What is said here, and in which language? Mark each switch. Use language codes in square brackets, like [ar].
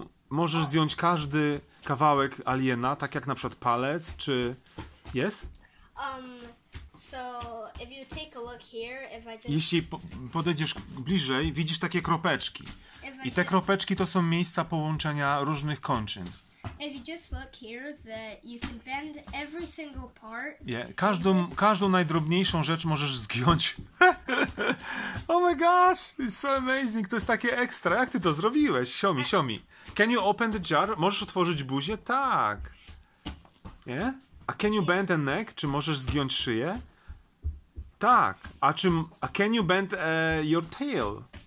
[pl] Możesz zdjąć każdy kawałek aliena, tak jak na przykład palec, czy yes? [en] So if you take a look here, if I just... [pl] Jeśli podejdziesz bliżej, widzisz takie kropeczki. I te kropeczki to są miejsca połączenia różnych kończyn. [en] If you just look here, that you can bend every single part. Yeah. [pl] Każdą najdrobniejszą rzecz możesz zgiąć. [en] Oh my gosh, it's so amazing. [pl] To jest takie ekstra. Jak ty to zrobiłeś? [en] Show me. Can you open the jar? [pl] Możesz otworzyć buzię? Tak. Yeah? A [en] can you bend a neck? [pl] Czy możesz zgiąć szyję? Tak. [en] A can you bend your tail?